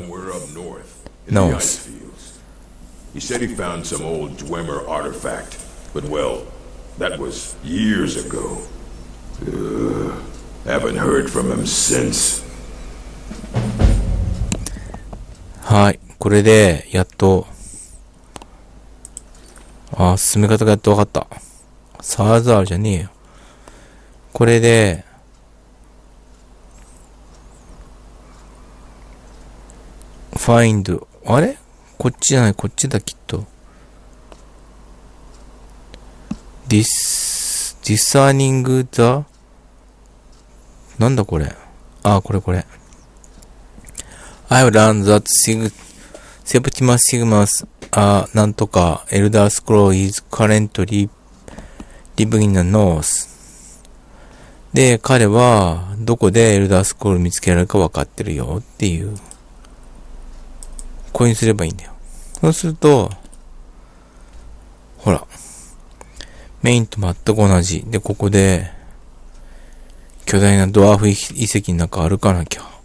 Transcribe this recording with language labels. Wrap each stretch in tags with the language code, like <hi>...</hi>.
<en>Somewhere up north, in the ice fields. He said he found some old Dwemer artifact, but well, that was years ago. Haven't heard from him since.</en> <ja>はい、これでやっと、進め方がやっとわかった。サーザーじゃねえよ。これで、find, あれ? こっちじゃない、こっちだ、きっと。</ja> <en>discerning the,</en> <ja>なんだこれ。あ、これこれ。</ja> <en>I learned that Septimus Sigmas,</en> <ja>なんとか、</ja> <en>Elder Scroll is currentlyLive in the North.</en> <ja>で、彼は、どこでエルダースクロール見つけられるか分かってるよっていう。これにすればいいんだよ。そうすると、ほら。メインと全く同じ。で、ここで、巨大なドワーフ遺跡の中歩かなきゃ。</ja>